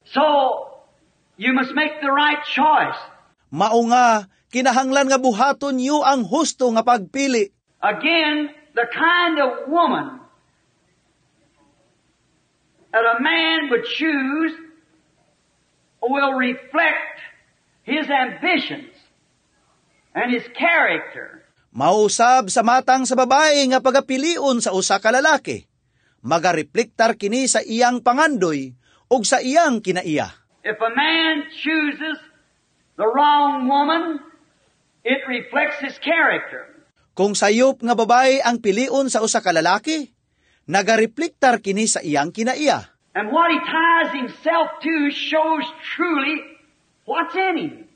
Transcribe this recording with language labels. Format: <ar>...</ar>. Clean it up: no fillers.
<en>So, you must make the right choice.</en> <ceb>Maunga, kinahanglan nga buhaton niyo ang husto nga pagpili.</ceb> <en>Again, the kind of woman that a man would choose will reflect his ambitions and his character.</en> <ceb>Mausab sa matang sa babae nga pagapilion sa usa ka lalaki, magareflektar kini sa iyang pangandoy ug sa iyang kinaiya.</ceb> <en>If a man chooses the wrong woman, it reflects his character.</en> <ceb>Kung sayop nga babae ang pilion sa usa ka lalaki, nagareflektar kini sa iyang kinaiya.</ceb> <en>And what he ties himself to shows truly what's in him.</en>